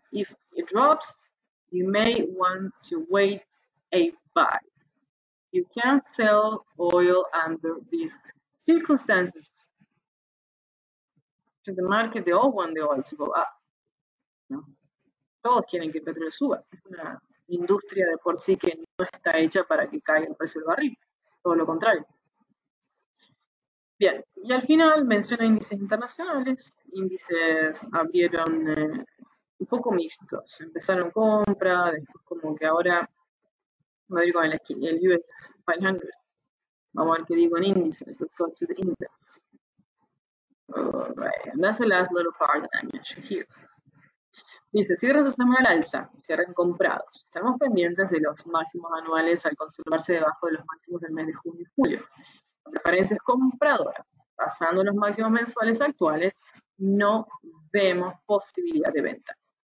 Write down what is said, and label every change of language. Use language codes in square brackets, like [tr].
[en] If it drops, you may want to wait a buy. You can sell oil under these circumstances. Because the market, they all want the oil to go up. [es] No. Todos quieren que el petróleo suba. Es una industria de por sí que no está hecha para que caiga el precio del barril. Todo lo contrario. Bien, y al final menciona índices internacionales. Índices abrieron un poco mixtos. Empezaron compra, después como que ahora voy a ir con el US 500. Vamos a ver qué digo en índices. [en] Let's go to the index. All right, and that's the last little part that I mentioned here. [es] Dice, cierra su semana al alza, cierren comprados. Estamos pendientes de los máximos anuales al conservarse debajo de los máximos del mes de junio y julio. La preferencia es compradora. Pasando los máximos mensuales actuales, no vemos posibilidad de venta.